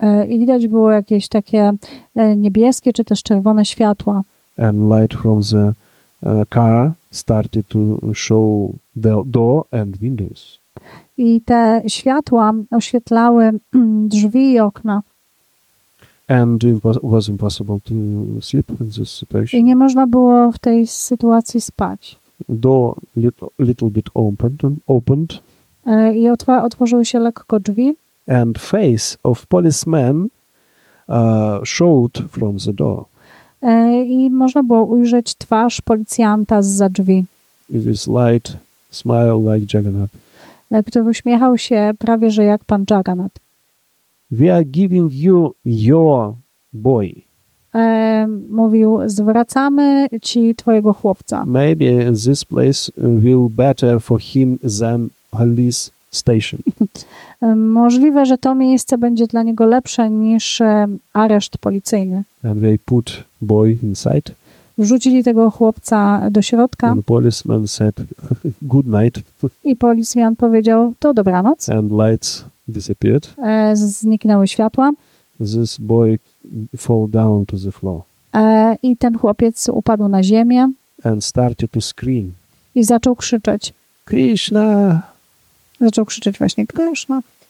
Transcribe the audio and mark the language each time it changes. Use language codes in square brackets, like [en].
[pl] I widać było jakieś takie niebieskie czy też czerwone światła. [en] And light from the car started to show the door and windows. [pl] I te światła oświetlały drzwi i okna. [en] And it was impossible to sleep in this situation. [pl] I nie można było w tej sytuacji spać. [en] Door little bit opened. [pl] I otworzyły się lekko drzwi. [en] And face of policeman showed from the door. [pl] I można było ujrzeć twarz policjanta zza drzwi. [en] With his light smile like Jagannath. [pl] Który uśmiechał się prawie że jak pan Jagannath. [en] We are giving you your boy. [pl] Mówił, zwracamy ci twojego chłopca. [en] Maybe this place will better for him than police station. [pl] Możliwe, że to miejsce będzie dla niego lepsze niż areszt policyjny. [en] And they put boy inside. [pl] Wrzucili tego chłopca do środka. [en] And policeman said, good night. [pl] I policjant powiedział, to dobranoc. [en] And lights disappeared. [pl] Zniknęły światła. [en] This boy fall down to the floor. [pl] I ten chłopiec upadł na ziemię. [en] And started to scream. [pl] I zaczął krzyczeć. [en] Krishna! [pl] Zaczął krzyczeć właśnie Krishna.